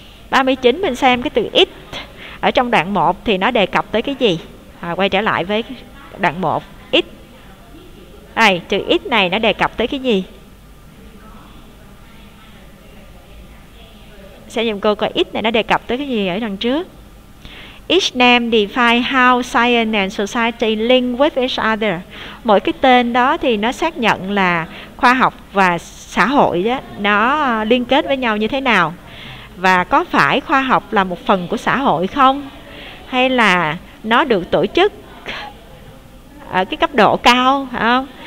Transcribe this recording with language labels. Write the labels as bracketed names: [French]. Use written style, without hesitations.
[Vietnamese] 39 mình xem cái từ it ở trong đoạn 1 thì nó đề cập tới cái gì. Quay trở lại với đoạn 1. It. Đây, từ it này nó đề cập tới cái gì? Xem giùm cô coi it này nó đề cập tới cái gì ở đằng trước. [English] Each name define how science and society link with each other. [Vietnamese] Mỗi cái tên đó thì nó xác nhận là khoa học và xã hội đó, nó liên kết với nhau như thế nào. Và có phải khoa học là một phần của xã hội không? Hay là nó được tổ chức ở cái cấp độ cao không?